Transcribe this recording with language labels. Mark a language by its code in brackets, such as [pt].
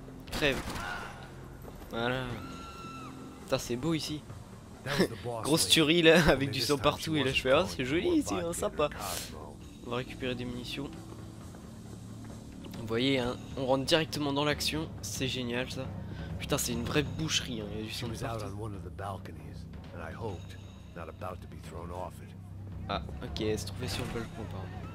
[fr] Crève. Voilà. Putain, c'est beau ici. Grosse tuerie là, avec du sang partout. Et là, je fais, ah, c'est joli ici, hein, sympa. On va récupérer des munitions. Vous voyez, hein, on rentre directement dans l'action. C'est génial ça. Putain, c'est une vraie boucherie, hein. Il y a du sang partout. [en] On one of the balconies, and I hoped not about to be thrown off it. [fr] Ah, ok, se trouver sur le balcon, pardon.